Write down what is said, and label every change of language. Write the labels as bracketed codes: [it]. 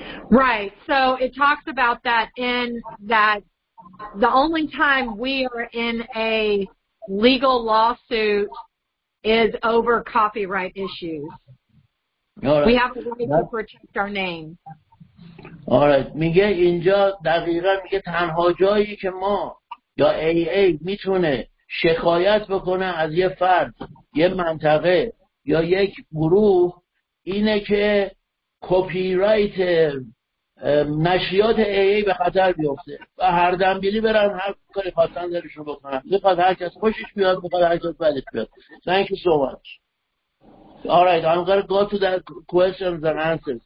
[en] Right. So it talks about that in that the only time we are in a legal lawsuit is over copyright issues. All right. We have a right to protect our name. All right. [fa] میگه اینجا دقیقاً میگه تنها جایی که ما یا AA میتونه شکایت بکنه از یه فرد، یه منطقه یا یک گروه اینه که کپی رایت نشریات AA به خطر بیفته و هر دنبیلی برن هر کاری خواستن دلشون بکنن، میخواد هر کس خوشش بیاد، میخواد هر کس بدش بیاد. [en] Thank you so much. All right, I'm going to go to the questions and answers.